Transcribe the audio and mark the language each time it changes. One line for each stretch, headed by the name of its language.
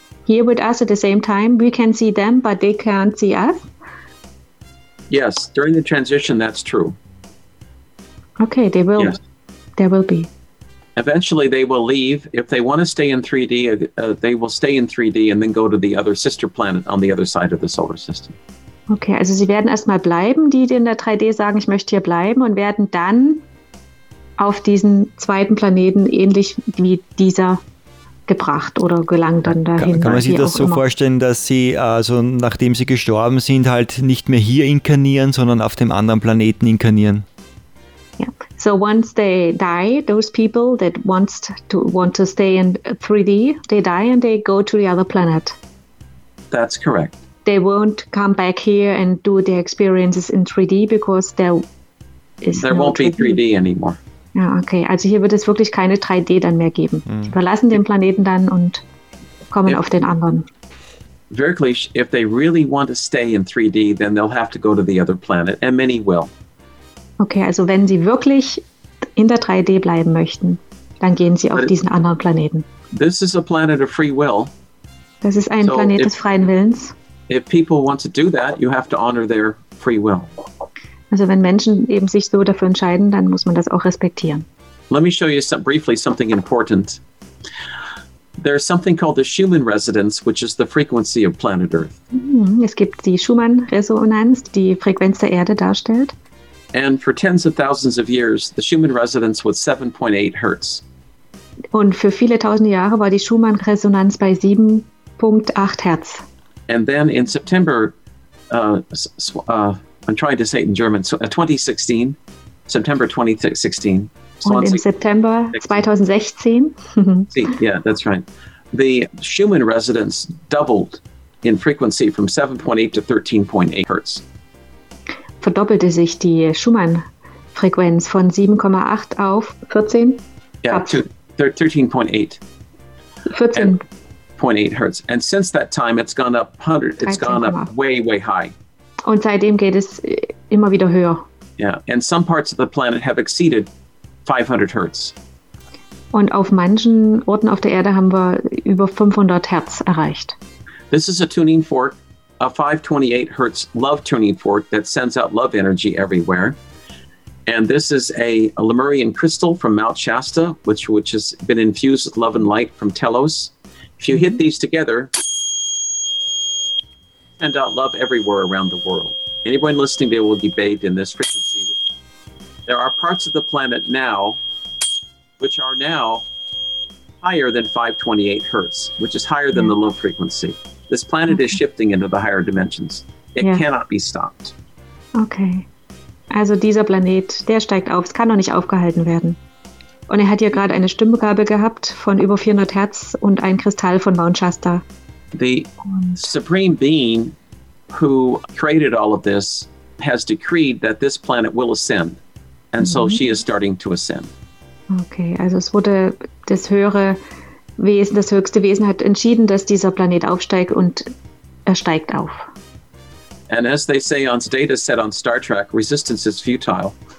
English: here with us at the same time. We can see them, but they can't see us. Yes, during the transition, that's true. Okay, they will. Yes. There will be. Eventually, they will leave. If they want to stay in 3D, they will stay in 3D and then go to the other sister planet on the other side of the solar system.
German: Okay, also sie werden erstmal bleiben, die, die in der 3D sagen, ich möchte hier bleiben, und werden dann auf diesen zweiten Planeten ähnlich wie dieser gebracht oder gelangt dann dahin. Kann man sich das so vorstellen, dass sie, also nachdem sie gestorben sind, halt nicht mehr hier inkarnieren, sondern auf dem anderen Planeten inkarnieren? Ja.
English: So once they die, those people that want to stay in 3D, they die and they go to the other planet. That's correct. They won't come back here and do their experiences in 3D because there won't be 3D anymore.
German: Ja, okay. Also hier wird es wirklich keine 3D dann mehr geben. Mm. Sie verlassen den Planeten dann und kommen auf den anderen.
English: Wirklich, if they really want to stay in 3D, then they'll have to go to the other planet, and many will.
German: Okay, also wenn sie wirklich in der 3D bleiben möchten, dann gehen sie auf diesen anderen Planeten.
English: This is a planet of free will.
German: Das ist ein Planet des freien Willens.
English: If people want to do that, you have to honor their free will.
German: Also wenn Menschen eben sich so dafür entscheiden, dann muss man das auch respektieren.
English: Let me show you briefly something important. There's something called the Schumann Resonance, which is the frequency of planet Earth.
German: Es gibt die Schumann-Resonanz, die Frequenz der Erde darstellt.
English: And for tens of thousands of years, the Schumann Resonance was 7.8 Hertz.
German: Und für viele tausend Jahre war die Schumann-Resonanz bei 7.8 Hertz.
English: And then in September, I'm trying to say it in German, so 2016, September 2016.
German: Und im September 2016.
English: See, yeah, that's right. The Schumann Resonance doubled in frequency from 7.8 to 13.8 Hertz.
German: Verdoppelte sich die Schumann-Frequenz von 7,8 auf 14? Ja, 13.8. 14.8
English: Hertz. And since that time, it's gone up 100. It's gone up way, way high.
German: Und seitdem geht es immer wieder höher. Ja, yeah.
English: And some parts of the planet have exceeded 500 Hertz.
German: Und auf manchen Orten auf der Erde haben wir über 500 Hertz erreicht.
English: This is a tuning fork. A 528 Hertz love tuning fork that sends out love energy everywhere. And this is a Lemurian crystal from Mount Shasta, which has been infused with love and light from Telos. If you hit these together, send out love everywhere around the world. Anyone listening, they will be bathed in this frequency. There are parts of the planet now, which are now higher than 528 Hertz, which is higher than the love frequency. This planet is shifting into the higher dimensions. It cannot be stopped.
German: Okay. Also dieser Planet, der steigt auf. Es kann noch nicht aufgehalten werden. Und er hat ja gerade eine Stimmgabel gehabt von über 400 Hertz und ein Kristall von Mount Shasta.
English: The supreme being who created all of this has decreed that this planet will ascend. And so she is starting to ascend.
German: Okay, also es wurde das höhere Wesen, das höchste Wesen hat entschieden, dass dieser Planet aufsteigt, und er steigt auf.
English: And as they say on Data said on Star Trek, resistance is futile.